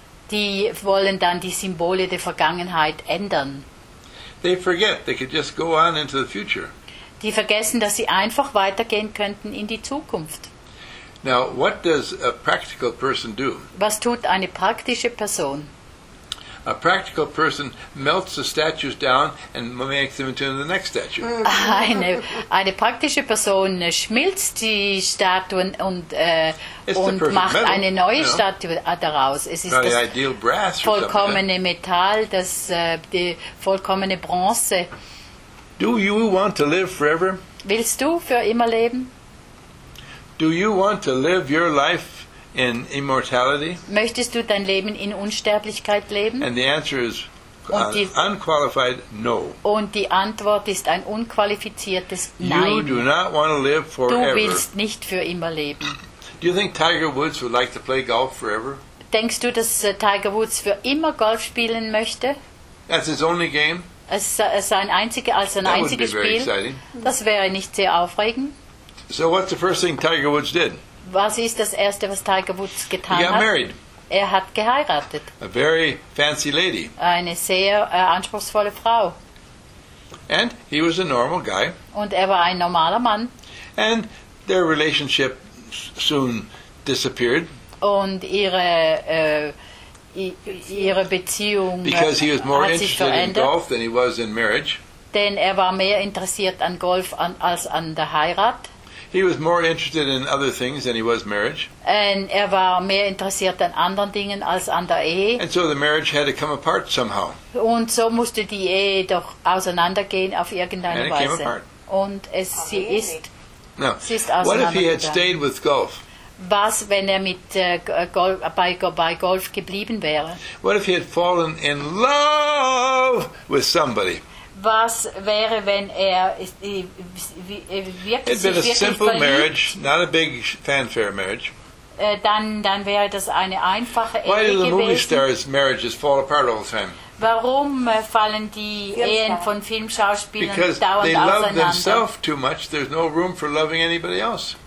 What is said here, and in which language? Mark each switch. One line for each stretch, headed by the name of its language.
German: Die wollen dann die Symbole der Vergangenheit ändern.
English: They forget they could just go on into the future.
German: Die vergessen, dass sie einfach weitergehen könnten in die Zukunft.
English: Now, what does a practical person do?
German: Was tut eine praktische Person?
English: A practical person melts the statues down and makes them into the next statue.
German: Eine praktische Person schmilzt die Statuen und macht
English: metal,
German: eine neue
English: you know?
German: Statue daraus. Es ist
English: Not
German: das
English: the ideal brass
German: vollkommene
English: or something
German: Metall, das die vollkommene Bronze.
English: Do you want to live forever?
German: Willst du für immer leben?
English: Do you want to live your life in immortality?
German: Möchtest du dein Leben in Unsterblichkeit leben?
English: And the answer is unqualified no.
German: Und die Antwort ist ein unqualifiziertes Nein.
English: You do not want to live forever.
German: Du willst nicht für immer leben.
English: Do you think Tiger Woods would like to play golf forever?
German: Denkst du, dass Tiger Woods für immer Golf spielen möchte?
English: That's his only game?
German: Als sein einziges Spiel. Das wäre nicht sehr aufregend.
English: So what's the first thing Tiger Woods did?
German: Was ist das Erste, was Tiger Woods getan hat?
English: Married.
German: Er hat geheiratet.
English: A very fancy lady.
German: Eine sehr anspruchsvolle Frau.
English: And he was a normal guy.
German: Und er war ein normaler Mann.
English: And their relationship soon disappeared.
German: Und ihre Beziehung
English: because he was more interested
German: verändert.
English: In golf than he was in marriage.
German: Denn er war mehr interessiert an Golf als an der Heirat.
English: He was more interested in other things than he was marriage.
German: Und er war mehr interessiert an anderen Dingen als an der Ehe.
English: And so the marriage had to come apart somehow.
German: Und so musste die Ehe doch auseinandergehen auf irgendeine
English: and
German: Weise.
English: And it came apart.
German: Und es, sie ist auseinandergegangen.
English: What if he had stayed with golf?
German: Was, wenn er mit bei Golf geblieben wäre?
English: What if he had fallen in love with somebody?
German: Was wäre, wenn er wirklich verliebt?
English: It'd been a simple marriage, not a big fanfare marriage.
German: Dann wäre das eine einfache Ehe gewesen.
English: Why do the movie stars' marriages fall apart all the time?
German: Warum fallen die Ehen von Filmschauspielern dauernd auseinander?
English: Because they love themselves too much. There's no room for loving anybody else.